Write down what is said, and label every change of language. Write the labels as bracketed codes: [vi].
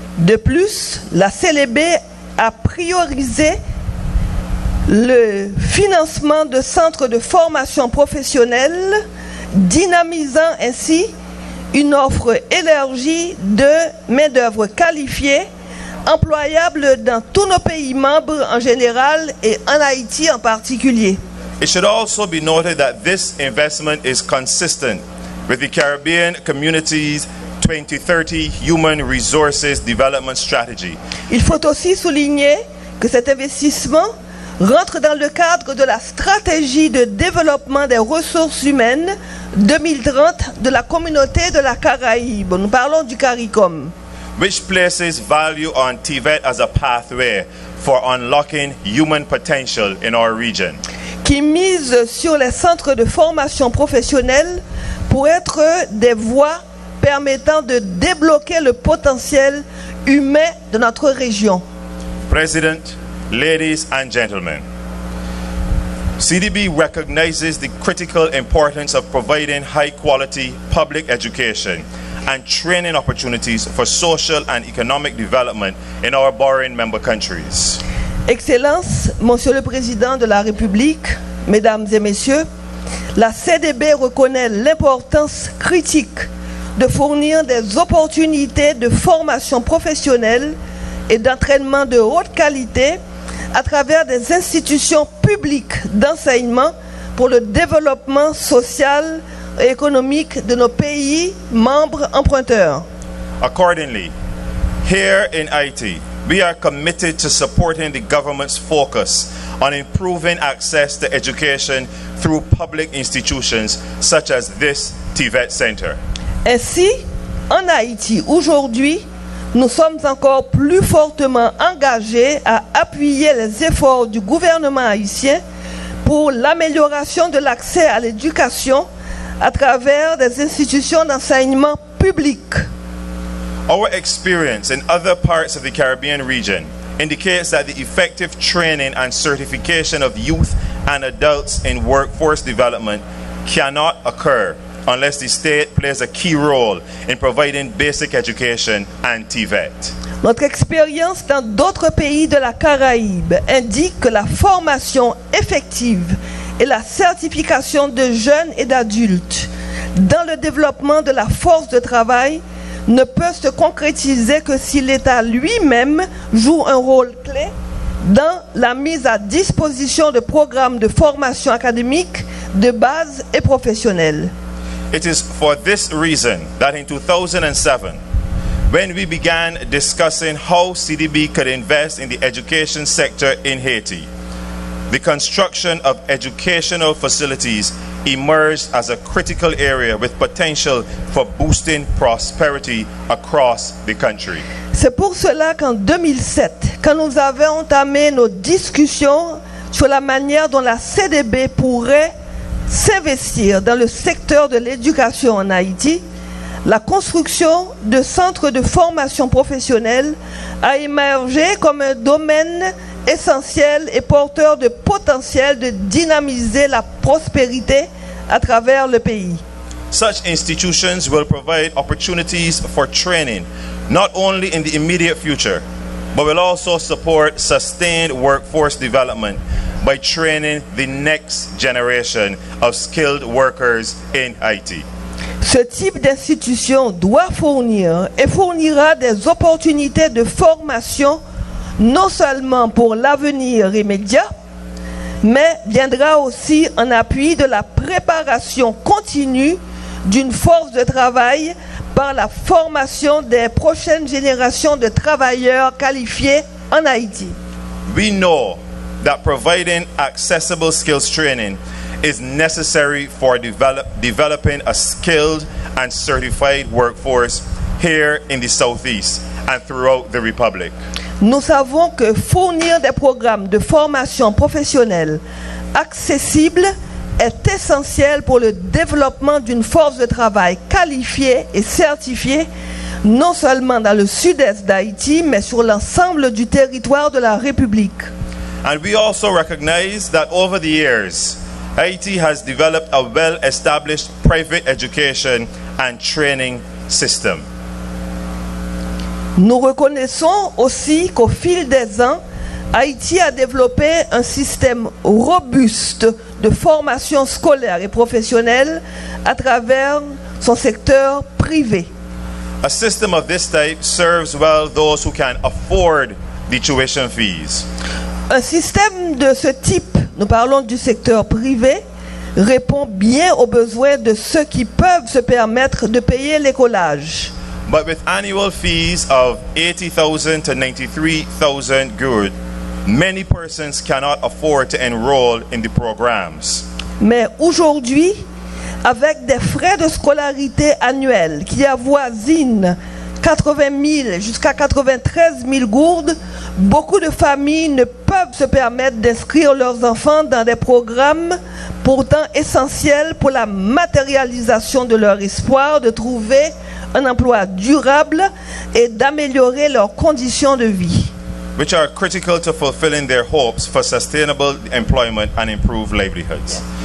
[fr] De plus, la CDB a priorisé le financement de centres de formation professionnelle, dynamisant ainsi une offre élargie de main-d'œuvre qualifiée, employable dans tous nos pays membres en général et en Haïti en particulier. [en] It should also be noted that this investment is consistent with the Caribbean Community's 2030 Human Resources Development Strategy. [fr] Il faut aussi souligner que cet investissement rentre dans le cadre de la stratégie de développement des ressources humaines 2030 de la communauté de la Caraïbe. Nous parlons du CARICOM. [en] Which places value on TVET as a pathway for unlocking human potential in our region. [fr] Qui mise sur les centres de formation professionnelle pour être des voies permettant de débloquer le potentiel humain de notre région. [en] President, ladies and gentlemen, CDB recognizes the critical importance of providing high quality public education and training opportunities for social and economic development in our borrowing member countries. [fr] Excellences, Monsieur le Président de la République, Mesdames et Messieurs, la CDB reconnaît l'importance critique de fournir des opportunités de formation professionnelle et d'entraînement de haute qualité à travers des institutions publiques d'enseignement pour le développement social et économique de nos pays membres emprunteurs. [en] Accordingly, here in Haiti, we are committed to supporting the government's focus on improving access to education through public institutions such as this TVET Center. [fr] Ainsi, en Haïti, aujourd'hui, nous sommes encore plus fortement engagés à appuyer les efforts du gouvernement haïtien pour l'amélioration de l'accès à l'éducation à travers des institutions d'enseignement public. [en] Our experience in other parts of the Caribbean region indicates that the effective training and certification of youth and adults in workforce development cannot occur unless the state plays a key role in providing basic education and TVET. [fr] Notre expérience dans d'autres pays de la Caraïbe indique que la formation effective et la certification de jeunes et d'adultes dans le développement de la force de travail ne peut se concrétiser que si l'État lui-même joue un rôle clé dans la mise à disposition de programmes de formation académique de base et professionnelle. [en] It is for this reason that in 2007, when we began discussing how CDB could invest in the education sector in Haiti, the construction of educational facilities emerged as a critical area with potential for boosting prosperity across the country. [fr] C'est pour cela qu'en 2007, quand nous avons entamé nos discussions sur la manière dont la CDB pourrait s'investir dans le secteur de l'éducation en Haïti, la construction de centres de formation professionnelle a émergé comme un domaine essentiel et porteur de potentiel de dynamiser la prospérité à travers le pays. [en] Such institutions will provide opportunities for training, not only in the immediate future, but will also support sustained workforce development by training the next generation of skilled workers in Haiti. [fr] Ce type d'institution doit fournir et fournira des opportunités de formation non seulement pour l'avenir immédiat, mais viendra aussi en appui de la préparation continue d'une force de travail par la formation des prochaines générations de travailleurs qualifiés en Haïti. [en] We know that providing accessible skills training is necessary for developing a skilled and certified workforce here in the Southeast and throughout the Republic. [fr] Nous savons que fournir des programmes de formation professionnelle accessibles est essentiel pour le développement d'une force de travail qualifiée et certifiée, non seulement dans le sud-est d'Haïti, mais sur l'ensemble du territoire de la République. [en] And we also recognize that over the years, Haiti has developed a well-established private education and training system. [fr] Nous reconnaissons aussi qu'au fil des ans, Haïti a développé un système robuste de formation scolaire et professionnelle à travers son secteur privé. [en] A system of this type serves well those who can afford the tuition fees. [fr] Un système de ce type, nous parlons du secteur privé, répond bien aux besoins de ceux qui peuvent se permettre de payer l'écolage. [en] But with annual fees of 80,000 to 93,000 gourdes, many persons cannot afford to enroll in the programs. [fr] Mais aujourd'hui, avec des frais de scolarité annuels qui avoisinent 80 000 jusqu'à 93 000 gourdes, beaucoup de familles ne peuvent se permettre d'inscrire leurs enfants dans des programmes pourtant essentiels pour la matérialisation de leur espoir de trouver un emploi durable et d'améliorer leurs conditions de vie. [en] Which are critical to fulfilling their hopes for sustainable employment and improved livelihoods.